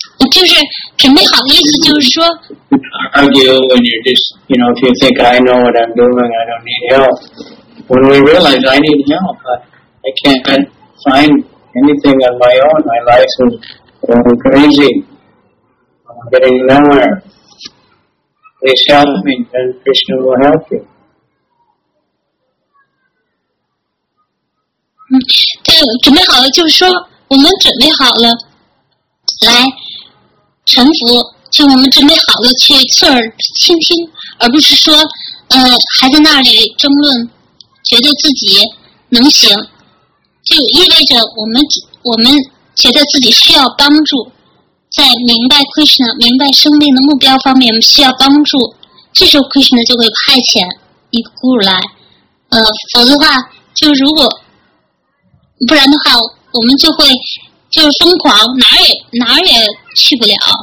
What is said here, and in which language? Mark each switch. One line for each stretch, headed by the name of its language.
Chinese: 就是准备好意思就是说。
English: Argue when you're just, you know, if you think I know what I'm doing, I don't need help. When we realize I need help, I can't find anything on my own. My life is going crazy. I'm getting nowhere. Please help me, then Krishna will help you.
Chinese: 对，准备好了就是说我们准备好了，来臣服。就我们准备好了去侧耳倾听，而不是说，还在那里争论，觉得自己能行，就意味着我们觉得自己需要帮助，在明白 Krishna 明白生命的目标方面，我们需要帮助，这时候 Krishna 就会派遣一个 guru 来，否则的话，就如果，不然的话，我们就会就是疯狂，哪儿也去不了。